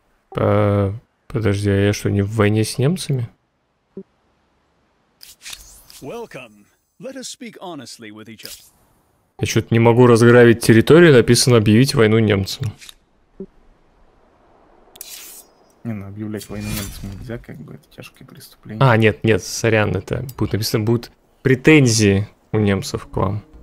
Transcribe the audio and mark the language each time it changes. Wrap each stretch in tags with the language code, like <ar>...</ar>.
<ru>Подожди, а я что, не в войне с немцами?</ru> <en>Welcome. Let us speak honestly with each other.</en> <ru>Я что-то не могу разграбить территорию, написано объявить войну немцам. Не, ну объявлять войну немцам нельзя, как бы это тяжкое преступление. А, нет, нет, сорян, это будет написано, будут претензии у немцев к вам.</ru>